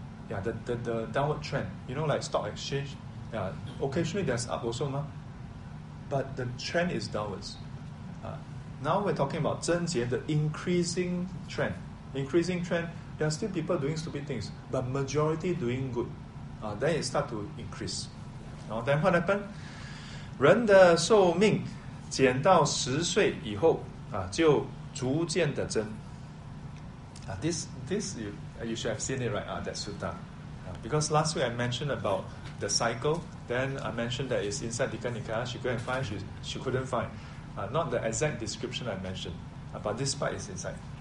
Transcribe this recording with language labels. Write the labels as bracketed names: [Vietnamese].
[English] Yeah, the downward trend. You know, like stock exchange. Yeah, occasionally there's up also, ma. But the trend is downwards. Now we're talking about 真节, the increasing trend. Increasing trend, there are still people doing stupid things, but majority doing good. Then it starts to increase. Now, then what happened? [Chinese] 人的寿命减到十岁以后,就逐渐的增. [English] This you should have seen it, right? That sutta. Because last week I mentioned about the cycle, then I mentioned that it's inside Dika Nikaya. She couldn't find, she couldn't find. Not the exact description I mentioned, but this part is inside.